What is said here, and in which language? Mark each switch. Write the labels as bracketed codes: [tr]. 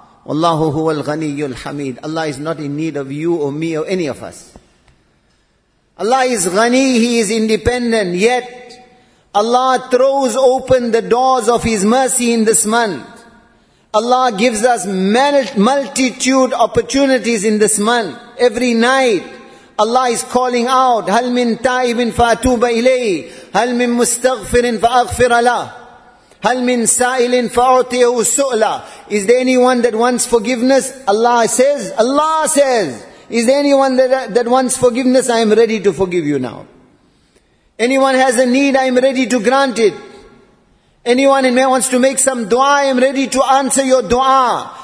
[ar] Wallahu huwal ghaniyul hamid. [en] Allah is not in need of you or me or any of us. Allah is ghani, He is independent, yet Allah throws open the doors of His mercy in this month. Allah gives us multitude opportunities in this month. [ar] Every night, Allah is calling out, هَلْ مِنْ تَائِبٍ فَأَتُوبَ إِلَيْهِ هَلْ مِنْ مُسْتَغْفِرٍ فَأَغْفِرَ لَهِ هَلْ مِنْ سَائِلٍ فَأُعْطِيَهُ سُؤْلَ. [en] Is there anyone that wants forgiveness? Allah says, is there anyone that wants forgiveness? I am ready to forgive you now. Anyone has a need, I am ready to grant it. Anyone who wants to make some dua, I am ready to answer your dua.